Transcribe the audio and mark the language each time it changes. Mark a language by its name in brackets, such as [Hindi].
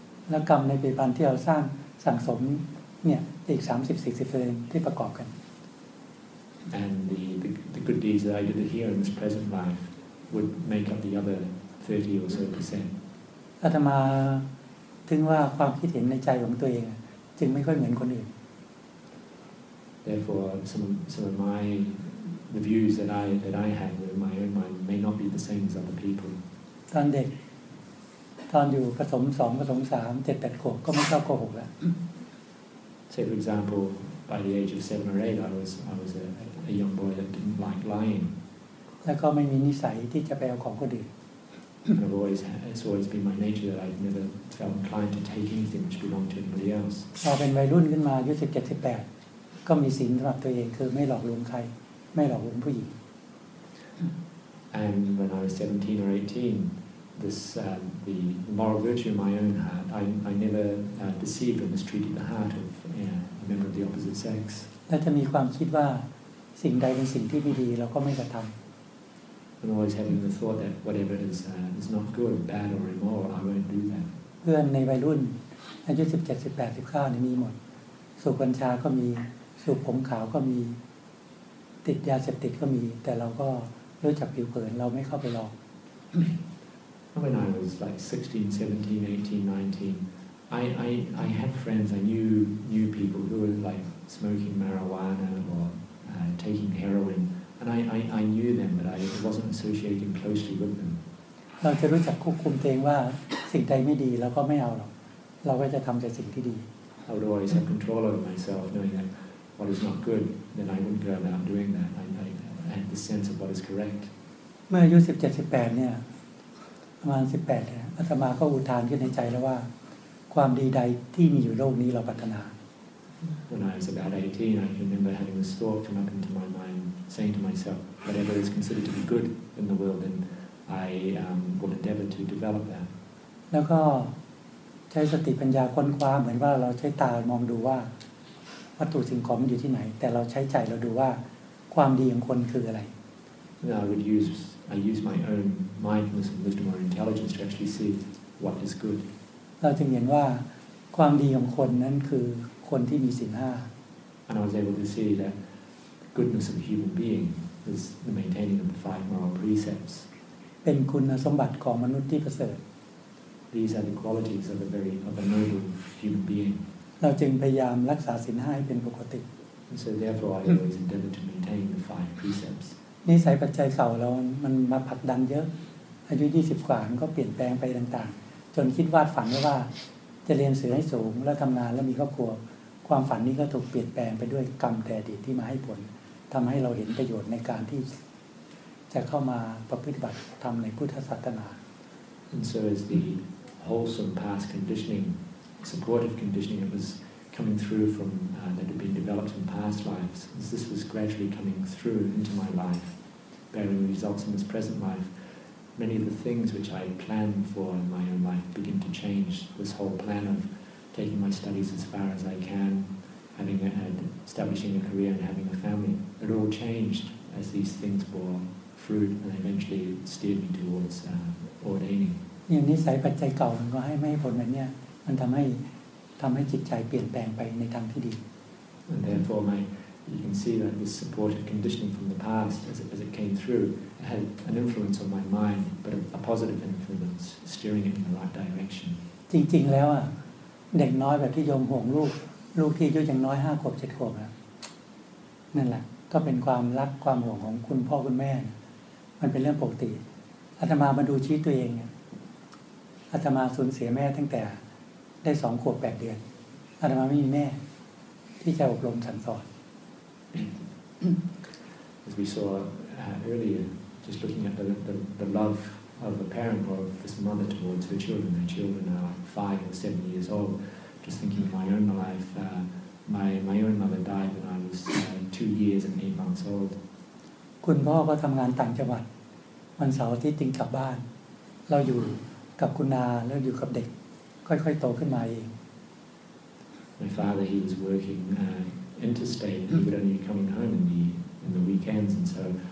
[Thai] แล้วกรรมในปัจจุบันที่เราสร้างสั่งสมเนี่ยอีก 30-40% ที่ประกอบกัน [English] And the good deeds that I did here in this present lifeWould make up the other 30 or so percent. [Thai] อาตมา ถึงว่าความคิดเห็นในใจของตัวเองจึงไม่ค่อยเหมือนคนอื่น [English] Therefore some of my the views that I had with my own mind may not be the same as other people [Thai] ตอนเด็กตอนอยู่ประถม2ประถม3 7 8ขวบก็ไม่ชอบโกหกแล้ว [English] Say for example by the age of 7 or 8 I was a young boy that didn't like lying [Thai] แล้วก็ไม่มีนิสัยที่จะไปเอาของคนอื่น [English] It's always been my nature that I've never felt inclined to take anything which belonged to anybody else. [Thai] พอเป็นวัยรุ่นขึ้นมาอายุ17 18ก็มีศีลสำหรับตัวเองคือไม่หลอกลวงใครไม่หลอกลวงผู้หญิง [English] And when I was 17 or 18, the moral virtue of my own heart, I never deceived or mistreated the heart of a member of the opposite sex. [Thai] และจะมีความคิดว่าสิ่งใดเป็นสิ่งที่ไม่ดีเราก็ไม่กระทำ [English] And always having the thought that whatever is not good, bad, or immoral, I won't do that. [Thai] เพื่อนในวัยรุ่นอายุ17 18 19นี่มีหมดสูบกัญชาก็มีสูบผมขาวก็มีติดยาเสพติดก็มีแต่เราก็รู้จักผิวเผินเราไม่เข้าไปลอง [English] When I was like 16 17 18 19 I had friends I knew people who were like smoking marijuana or taking heroinAnd I knew them, but I wasn't associating closely with them. [Thai] เราจะรู้จักควบคุมตัวเองว่าสิ่งใดไม่ดีเราก็ไม่เอาหรอกเราก็จะทำแต่สิ่งที่ดี [English] I would always have control over myself, knowing that what is not good, then I wouldn't go about doing that. I had the sense of what is correct. [Thai] เมื่ออายุ 17, 18 เนี่ยประมาณ 18 เนี่ยอาตมาก็อุทานขึ้นในใจแล้วว่าความดีใดที่มีอยู่โลกนี้เราปรารถนา [English] When I was about 18, I remember having this thought come up into my mind, saying to myself, whatever is considered to be good in the world, then I will endeavor to develop that. [Thai] แล้วก็ใช้สติปัญญาค้นคว้าเหมือนว่าเราใช้ตามองดูว่าวัตถุสิ่งของมันอยู่ที่ไหนแต่เราใช้ใจเราดูว่าความดีของคนคืออะไร [English] Now I use my own mindfulness and wisdom or intelligence to actually see what is good. [Thai] เราจึงเห็นว่าความดีของคนนั้นคือคนที่มีศีล5 [English] And I was able to see that goodness of a human being is the maintaining of the five moral precepts. [Thai] เป็นคุณสมบัติของมนุษย์ที่ประเสริฐ [English] These are the qualities of a noble human being. [Thai] เราจึงพยายามรักษาศีล5ให้เป็นปกติ [English] And so therefore I always endeavor to maintain the five precepts. [Thai] นิสัยปัจจัยเก่าเรามันมาผลักดันเยอะอายุ20กว่ามันก็เปลี่ยนแปลงไปต่างๆจนคิดวาดฝันว่าจะเรียนสื่อให้สูงแล้วทำงานแล้วมีครอบครัวความฝันนี้ก็ถูกเปลี่ยนแปลงไปด้วยกรรมแต่อดีตที่มาให้ผลทำให้เราเห็นประโยชน์ในการที่จะเข้ามาประพฤติบัติธรรมในพุทธศาสนา [English] And so as the wholesome past conditioning, supportive conditioning that was coming through from that had been developed in past lives, as this was gradually coming through into my life, bearing results in this present life, many of the things which I planned for in my own life begin to change this whole plan ofTaking my studies as far as I can, having establishing a career and having a family, it all changed as these things bore fruit and eventually steered me towards ordaining. [Thai] อย่างนี้สายปัจจัยเก่ามันก็ให้ผลแบบนี้มันทำให้จิตใจเปลี่ยนแปลงไปในทางที่ดี [English] And therefore, you can see that this supportive conditioning from the past, as it came through, had an influence on my mind, but a positive influence, steering it in the right direction. [Thai] จริงๆแล้วอ่ะเด็กน้อยแบบที่โยมห่วงลูกที่อายุยังน้อย5ขวบ7ขวบอ่ะนั่นแหละก็เป็นความรักความห่วงของคุณพ่อคุณแม่มันเป็นเรื่องปกติอาตมามาดูชีวิตตัวเองเนี่ยอาตมาสูญเสียแม่ตั้งแต่ได้2ขวบ8เดือนอาตมาไม่มีแม่ที่จะอบรมสั่งสอน [English] As we saw earlier just looking at the loveOf a parent or of this mother towards her children. Their children are like 5 or 7 years old. Just thinking of my own life, my own mother died when I was 2 years and 8 months old. [Thai] คุณพ่อก็ทำงานต่างจังหวัดวันเสาร์ที่จริงกลับบ้านเราอยู่กับคุณนาแล้วอยู่กับเด็กค่อยๆโตขึ้นมาเอง [English] My father, he was working interstate. He would only be coming home in the weekends, and so.